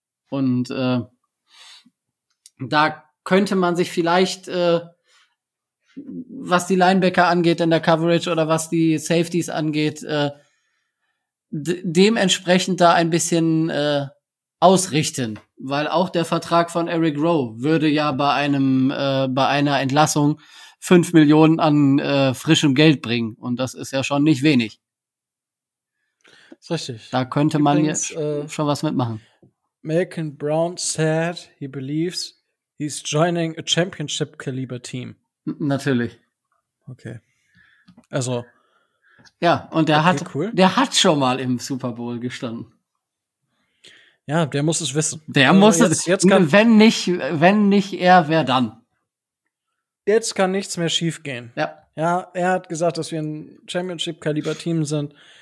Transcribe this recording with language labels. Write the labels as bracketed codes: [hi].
[de] Und da könnte man sich vielleicht, was die Linebacker angeht in der Coverage oder was die Safeties angeht, dementsprechend da ein bisschen ausrichten. Weil auch der Vertrag von Eric Rowe würde ja bei einer Entlassung 5 Millionen an frischem Geld bringen. Und das ist ja schon nicht wenig. Ist richtig. Da könnte man jetzt schon was mitmachen. [en] Malcolm Brown said he believes he's joining a championship-caliber team. [de] Natürlich. Okay. Also. Ja, und der hat schon mal im Super Bowl gestanden. Ja, der muss es wissen. Der muss es. Wenn nicht er, wer dann? Jetzt kann nichts mehr schiefgehen. Ja. Ja, er hat gesagt, dass wir ein Championship-Kaliber-Team sind.